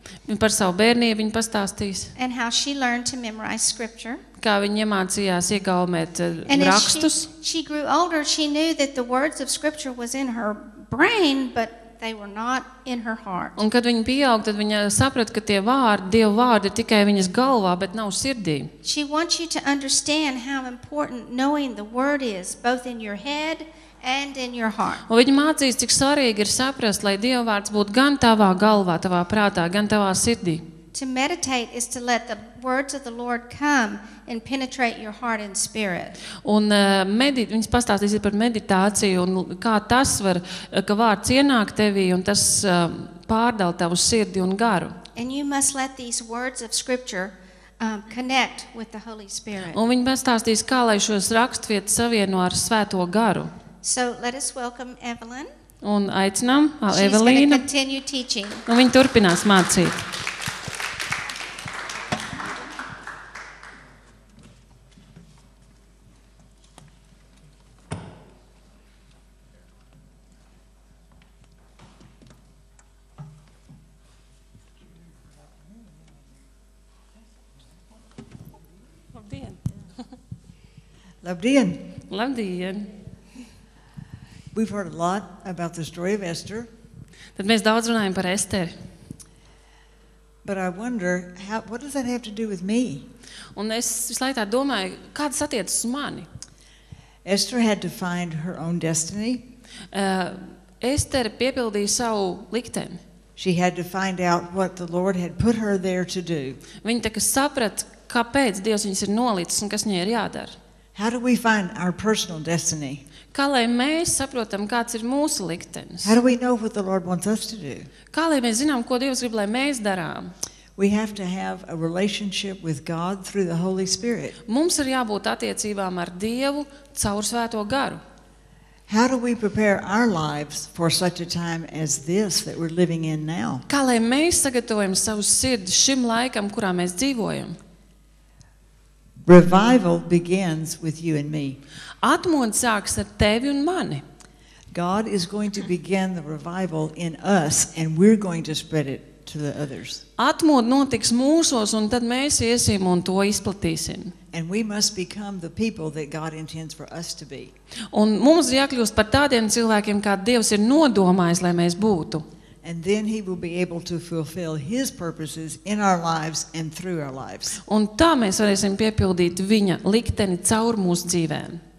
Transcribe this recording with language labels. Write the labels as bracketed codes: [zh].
[lv] Un par savu bērnību viņa pastāstīs. [en] And how she learned to memorize scripture. [lv] Kā viņa iemācījās iegaumēt rakstus. [en] She grew older, she knew that the words of scripture was in her brain, but they were not in her heart. [lv] Un kad viņa pieaug, tad viņa saprot, ka tie vārdi, Dieva vārdi ir tikai viņas galvā, bet nav sirdī. [en] She wants you to understand how important knowing the word is both in your head and in your heart. [lv] Un viņa mācīs, cik svarīgi ir saprast, lai Dieva vārds būtu gan tavā galvā, tavā prātā, gan tavā sirdī. [en] To meditate is to let the words of the Lord come and penetrate your heart and spirit. [lv] Un viņas pastāstīs par meditāciju un kā tas var, ka vārds ienāk tevī un tas pārdal tavu sirdi un garu. [en] And you must let these words of scripture connect with the Holy Spirit. [lv] Un viņa pastāstīs, kā lai šos rakstvietas savieno ar Svēto garu. [en] So let us welcome Evelyn. [lv] Un aicinām Evelīnu. [en] She's going to continue teaching. [lv] Un viņa turpinās mācīt. Labdien. Labdien. [en] We've heard a lot about the story of Esther. [lv] Tad mēs daudz runājam par Esteri. [en] But I wonder what does that have to do with me? [lv] Un es visu laiku domāju, kā tas attiecas uz mani? [en] Esther had to find her own destiny. [lv] Esteri piepildīja savu likteni. [en] She had to find out what the Lord had put her there to do. [lv] Viņa tika saprat, kāpēc Dievs viņus ir nolicis un kas viņai ir jādara. [en] How do we find our personal destiny? [lv] Kā lai mēs saprotam, kāds ir mūsu liktenis? [en] How do we know what the Lord wants us to do? [lv] Kā lai mēs zinām, ko Dievs grib, lai mēs darām? [en] We have to have a relationship with God through the Holy Spirit. [lv] Mums ir jābūt attiecībām ar Dievu caur Svēto garu. [en] How do we prepare our lives for such a time as this that we're living in now? [lv] Kā lai mēs sagatavojam savu sirdi šim laikam, kurā mēs dzīvojam? [en] Revival begins with you and me. [lv] Atmodu sāks ar tevi un mani. [en] God is going to begin the revival in us and we're going to spread it to the others. [lv] Atmodu notiks mūsos un tad mēs iesim un to izplatīsim. [en] And we must become the people that God intends for us to be. [lv] Un mums jākļūst par tādiem cilvēkiem, kā Dievs ir nodomājis, lai mēs būtu. [en] And then he will be able to fulfill his purposes in our lives and through our lives. [lv] Un tā mēs varēsim piepildīt viņa likteni caur mūsu dzīvēm.